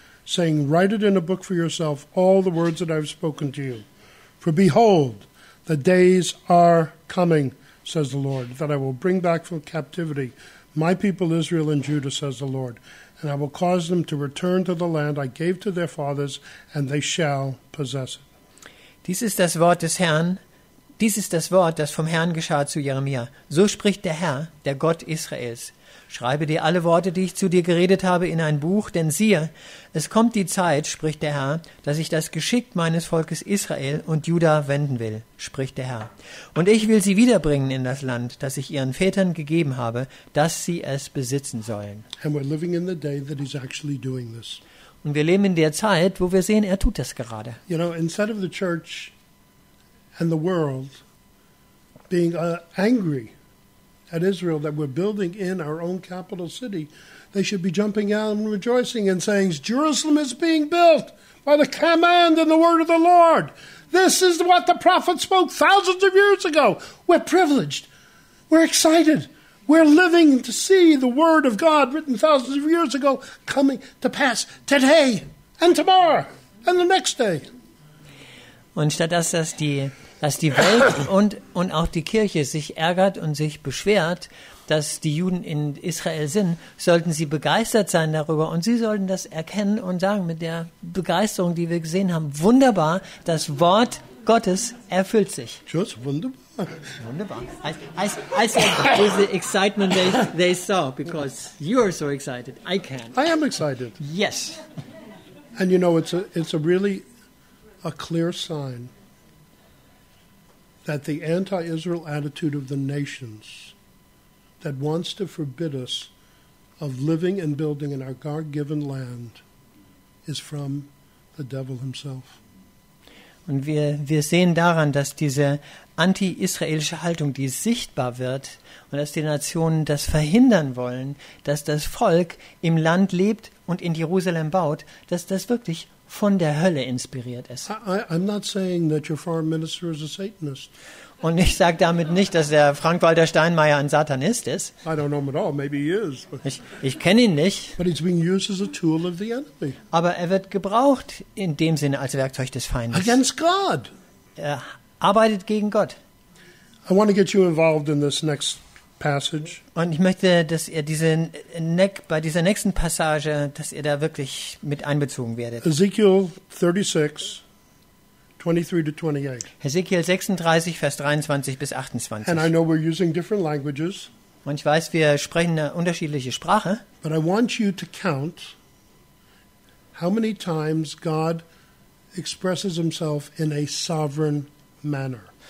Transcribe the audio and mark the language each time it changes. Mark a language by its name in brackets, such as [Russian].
[English] Saying, write it in a book for yourself, all the words that I have spoken to you. For behold, the days are coming, says the Lord, that I will bring back from captivity my people Israel and Judah, says the Lord, and I will cause them to return to the land I gave to their fathers, and they shall possess it. [German] Dies ist das Wort des Herrn. Dies ist das Wort, das vom Herrn geschah zu Jeremia. So spricht der Herr, der Gott Israels. Schreibe dir alle Worte, die ich zu dir geredet habe, in ein Buch, denn siehe, es kommt die Zeit, spricht der Herr, dass ich das Geschick meines Volkes Israel und Juda wenden will, spricht der Herr. Und ich will sie wiederbringen in das Land, das ich ihren Vätern gegeben habe, dass sie es besitzen sollen. [English] And we're living in the day that he's actually doing this. [German] Und wir leben in der Zeit, wo wir sehen, er tut das gerade. [English] You know, instead of the church and the world being angry at Israel that we're building in our own capital city, they should be jumping out and rejoicing and saying, Jerusalem is being built by the command and the word of the Lord. This is what the prophet spoke thousands of years ago. We're privileged. We're excited. We're living to see the word of God written thousands of years ago coming to pass today and tomorrow and the next day. [German] Und statt dass die Welt und auch die Kirche sich ärgert und sich beschwert, dass die Juden in Israel sind, sollten sie begeistert sein darüber und sie sollten das erkennen und sagen mit der Begeisterung, die wir gesehen haben, wunderbar, das Wort Gottes erfüllt sich. [English] Just wunderbar. [German] Wunderbar. [English] I said with the excitement they saw, because you are so excited, I can. I am excited. Yes. And you know, it's a really a clear sign that the anti-Israel attitude of the nations that wants to forbid us of living and building in our God-given land is from the devil himself. [German] Und wir sehen daran, dass diese anti-israelische Haltung, die sichtbar wird und dass die Nationen das verhindern wollen, dass das Volk im Land lebt und in Jerusalem baut, dass das wirklich von der Hölle inspiriert ist. [English] I'm not saying that your foreign minister is a Satanist. [German] Und ich sage damit nicht, dass der Frank-Walter Steinmeier ein Satanist ist. [English] I don't know him at all. Maybe he is. [German] Ich kenne ihn nicht. [English] But he's being used as a tool of the enemy. [German] Aber er wird gebraucht in dem Sinne als Werkzeug des Feindes. [English] Against God. [German] Er arbeitet gegen Gott. [English] I want to get you involved in this next passage. [German] Und ich möchte, dass ihr bei dieser nächsten Passage, dass ihr da wirklich mit einbezogen werdet. [English] Ezekiel 36, 23 to 28. [German] Ezekiel 36, Vers 23 bis 28. [English] And I know we're using different languages. [German] Und ich weiß, wir sprechen eine unterschiedliche Sprache. [English] But I want you to count how many times God expresses himself in a sovereign manner.